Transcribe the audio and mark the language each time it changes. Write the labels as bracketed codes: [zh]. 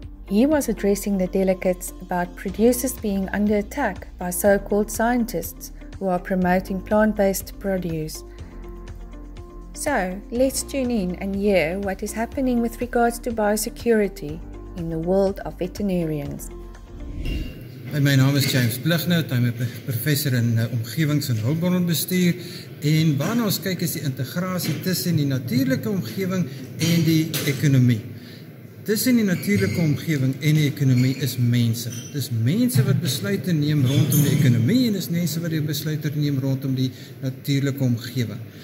[en] He was addressing the delegates about producers being under attack by so-called scientists who are promoting plant-based produce. So, let's tune in and hear what is happening with regards to biosecurity in the world of veterinarians. Hi, my name is James Plignout. I'm a professor in [af] omgevings- en hulpbronbestuur. En waarna ons kyk is die integrasie tussen die natuurlike omgeving en die ekonomie. Tussen die natuurlike omgeving en die ekonomie is mense. Dis mense wat besluite neem rondom die ekonomie en dis mense wat die besluite neem rondom die natuurlike omgeving.